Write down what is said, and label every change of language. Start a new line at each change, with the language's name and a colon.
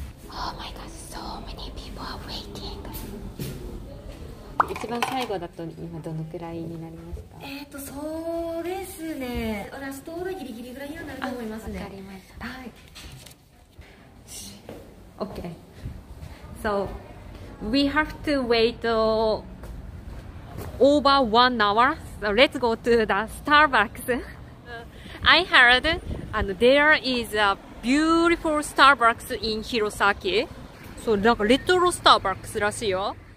English: Oh my god, so many people are waiting.
Japanese: 一番最後だと今どのくらいになりますか？そうですね。ラストオーダーギリギリぐらいになると思いますね。わかりました。はい。
English: Okay. So, we have to wait over 1 hour. So let's go to the Starbucks. I heard and there is a beautiful Starbucks in Hirosaki. So,
Japanese: なんかレトロスターバックスらしいよ。